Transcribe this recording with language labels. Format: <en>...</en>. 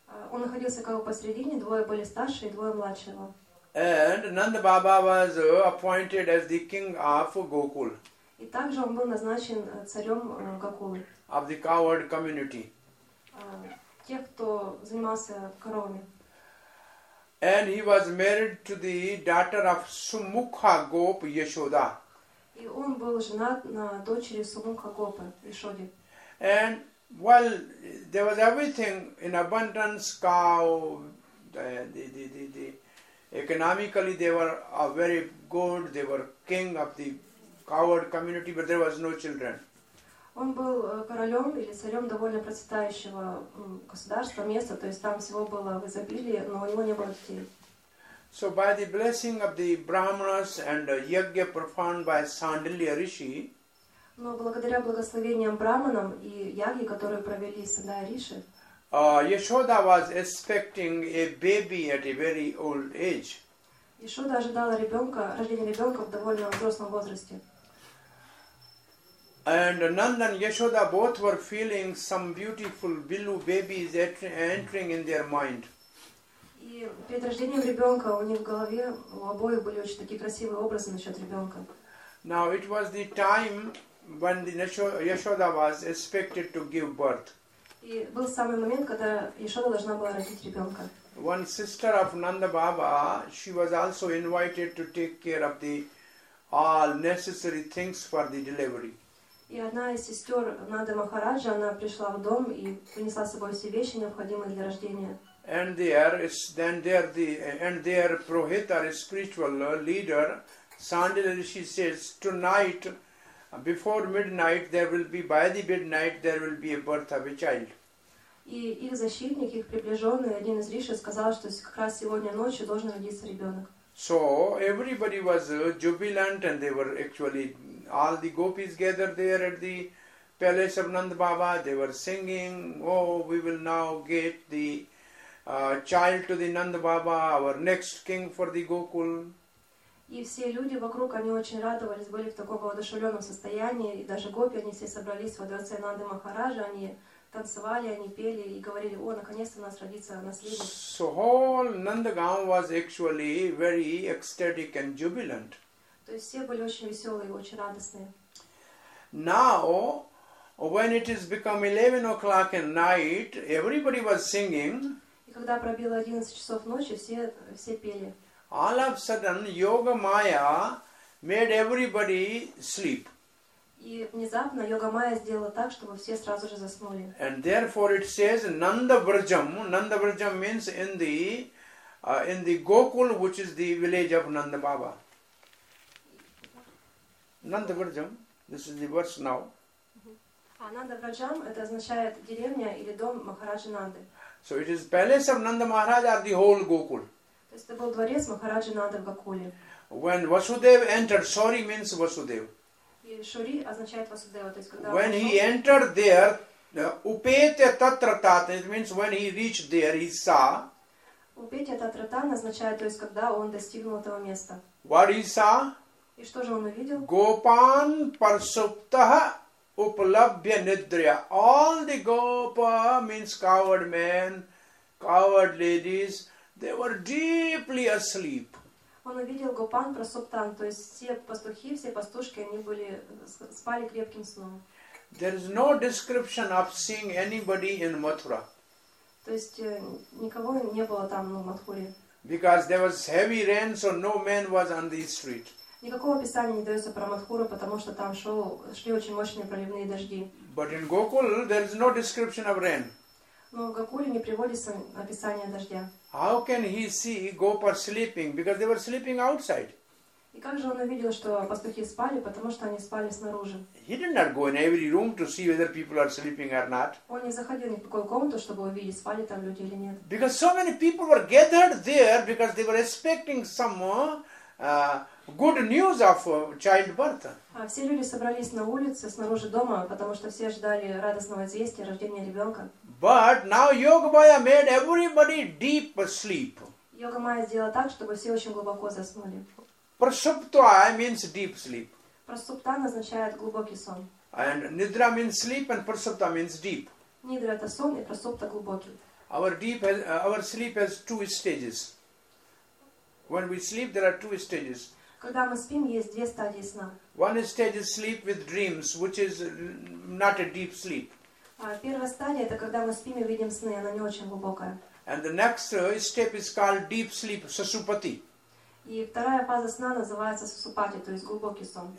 <ru>Он находился как бы посередине, двое были старше и двое младше его.</ru> <en>And Nanda Baba was appointed as the king of Gokul.</en> <ru>И также он был назначен царем Гокулы.</ru> <en>Of the coward community.</en> <ru>Тех, кто занимался коровами.</ru> <en>And he was married to the daughter of Sumukha Gop Yashoda.</en> <ru>И он был женат на дочери Сумукха Гопа Яшоды.</ru> <en>And well, there was everything in abundance, cow, the economically they were very good, they were king of the coward community, but there was no children.</en> <ru>Он был королем или царем довольно процветающего государства, места, то есть там всего было в изобилии, но у него не было детей.</ru> <en>So by the blessing of the brahmanas and yagya performed by Sandilya Rishi.</en> <ru>Но благодаря благословениям браманам и яги, которые провели Сандилья Риши.</ru> <en>Yashoda was expecting a baby at a very old age.</en> <ru>Яшода ожидала ребенка, рождения ребенка в довольно взрослом возрасте.</ru> <en>And Nanda and Yashoda both were feeling some beautiful billu babies entering in their mind.</en> <ru>И перед рождением ребенка у них в голове у обоих были очень такие красивые образы насчет ребенка.</ru> <en>Now it was the time when the Yashoda was expected to give birth.</en> <ru>И был самый момент, когда Яшода должна была родить ребенка.</ru> <en>One sister of Nanda Baba, she was also invited to take care of the all necessary things for the delivery.</en> <ru>И одна из сестер Нады Махараджа, она пришла в дом и принесла с собой все вещи, необходимые для рождения.</ru> <en>And there is then there the and there Prohita, the spiritual leader, Sandila Rishi says, tonight, before midnight, there will be by the midnight there will be a birth of a child.</en> <ru>И их защитник, их приближенный, один из риши, сказал, что как раз сегодня ночью должен родиться ребенок.</ru> <en>So everybody was jubilant, and they were actually all the gopis gathered there at the palace of Nand Baba. They were singing, "Oh, we will now get the child to the Nand Baba, our next king for the Gokul."</en> <ru>И все люди вокруг, они очень радовались, были в таком воодушевленном состоянии, и даже гопи, они все собрались во дворце Нанды Махараджа, они танцевали, они пели и говорили: "О, наконец-то у нас родится наследник."</ru> <en>So whole Nandagaon was actually very ecstatic and jubilant.</en> <ru>То есть все были очень веселые, очень радостные.</ru> <en>Now, when it has become 11 o'clock at night, everybody was singing.</en> <ru>И когда пробило 11 часов ночи, все пели.</ru> <en>All of a sudden, Yoga Maya made everybody sleep.</en> <ru>И внезапно Йога Майя сделала так, чтобы все сразу же заснули.</ru> <en>And therefore it says Nanda Vrajam. Nanda Vrajam means in the Gokul, which is the village of Nanda Baba. Nanda Vrajam, this is the verse now.</en> <ru>Nanda Vrajam, это означает деревня или дом Махараджи Нанды.</ru> <en>So it is palace of Nanda Maharaja or the whole Gokul.</en> <ru>То есть это был дворец Махараджи Нанды в Гокуле.</ru> <en>When Vasudev entered, Shori means Vasudev. When he entered there,</en> <sa>upetya tatra tat,</sa> <en>it means when he reached there, he saw.</en> <sa>Upetya tatra tat</sa> <ru>означает, то есть когда он достигнул этого места.</ru> <en>What he saw?</en> <ru>И что же он увидел?</ru> <sa>Gopan parsuptaha uplabhya nidriya.</sa> <en>All the gopa means coward men, coward ladies, they were deeply asleep.</en> <ru>Он увидел гопан прасуптан, то есть все пастухи, все пастушки, они были спали крепким сном.</ru> <en>There is no description of seeing anybody in Mathura.</en> <ru>То есть никого не было там, в Матхуре.</ru> <en>Because there was heavy rain, so no man was on the street.</en> <ru>Никакого описания не дается про Матхуру, потому что там шли очень мощные проливные дожди.</ru> <en>But in Gokul, there is no description of rain.</en> <ru>Но в Гокуле не приводится описание дождя.</ru> <en>How can he see Gopa sleeping? Because they were sleeping outside.</en> <ru>И как же он увидел, что пастухи спали, потому что они спали снаружи?</ru> <en>He did not go in every room to see whether people are sleeping or not.</en> <ru>Он не заходил ни в какую комнату, чтобы увидеть, спали там люди или нет.</ru> <en>Because so many people were gathered there because they were expecting some good news of childbirth.</en> <ru>Все люди собрались на улице снаружи дома, потому что все ждали радостного известия рождения ребенка.</ru> <en>But now Yoga Maya made everybody deep asleep.</en> <ru>Yoga Maya сделала так, чтобы все очень глубоко заснули.</ru> <en>Prasupta means deep sleep.</en> <ru>Prasupta означает глубокий сон.</ru> <en>And nidra means sleep, and prasupta means deep.</en> <ru>Nidra это сон, и prasupta глубокий.</ru> <en>Our sleep has two stages. When we sleep, there are two stages.</en> <ru>Когда мы спим, есть две стадии сна.</ru> <en>One stage is sleep with dreams, which is not a deep sleep.</en> <ru>Первая стадия это когда мы спим и видим сны, она не очень глубокая.</ru> <en>And the next step is called deep sleep, сусупати.</en> <ru>И вторая фаза сна называется сусупати, то есть глубокий сон.</ru>